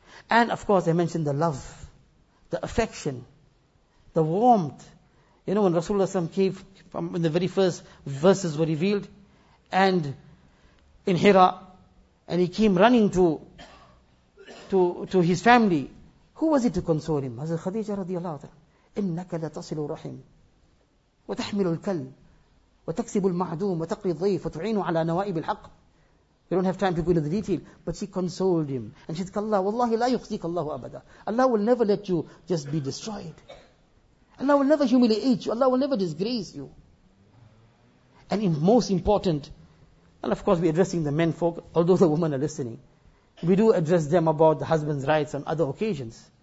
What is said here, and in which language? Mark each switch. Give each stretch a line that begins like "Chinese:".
English: And of course I mentioned the love, the affection, the warmth. You know when Rasulullah came, from when the very first verses were revealed, and in Hira, and he came running to his family. Who was it to console him? Hazrat Khadija radiallahu anha.
Arabic: إِنَّكَ لَتَصِلُ رَحِيمٌ وتحمل الكل وتكسب المعدوم وتقري الضيف وتعين على نوائب الحق.
English: We don't have time to go into the detail, but she consoled him and she said,
Arabic: "Allah, wallahi la yukhzik Allah abada.
English: Allah will never let you just be destroyed. Allah will never humiliate you. Allah will never disgrace you." And in most important, and of course we're addressing the men folk, although the women are listening, we do address them about the husband's rights on other occasions.